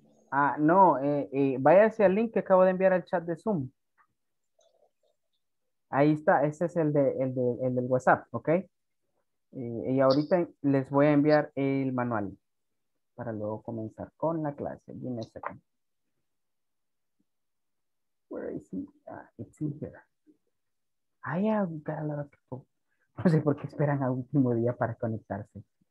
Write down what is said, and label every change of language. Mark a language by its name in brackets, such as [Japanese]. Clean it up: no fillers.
[Spanish] Ah, no, váyase al link que acabo de enviar al chat de Zoom. Ahí está, ese es el del WhatsApp, ¿ok? Y ahorita les voy a enviar el manual para luego comenzar con la clase. Dime un segundo. [English] Where is he? It's in here. I have got a lot of people. [Spanish] No sé por qué esperan al último día para conectarse.